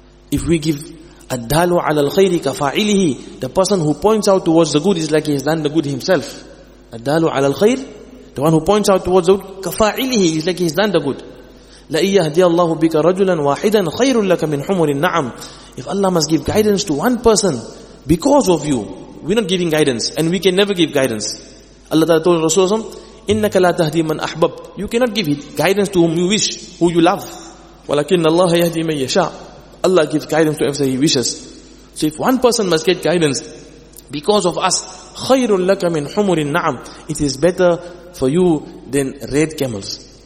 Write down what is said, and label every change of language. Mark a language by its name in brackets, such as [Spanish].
[English] If we give, [Arabic] الدالو على الخير كفاعله, [English] the person who points out towards the good is like he has done the good himself. [Arabic] الدالو على الخير, [English] the one who points out towards the good, [Arabic] كفاعله, [English] is like he has done the good. [Arabic] لَأَنْ يَهْدِيَ اللَّهُ بِكَ رَجُلًا وَاحِدًا خَيْرٌ لَكَ مِنْ حُمُرِ النَّعَمِ. [English] If Allah must give guidance to one person because of you, we're not giving guidance, and we can never give guidance. Allah Ta'ala told Rasulullah, [Arabic] إِنَّكَ لَا تَهْدِي مَنْ أَحْبَبْتْ. [English] You cannot give guidance to whom you wish, who you love. [Arabic] وَلَكِنَّ اللَّهَ يَهْدِي مَنْ يَشَاءُ. [English] Allah gives guidance to whoever He wishes. So if one person must get guidance because of us, [Arabic] خَيْرٌ لَكَ مِنْ حُمُرِ النَّعَمِ, [English] it is better for you than red camels.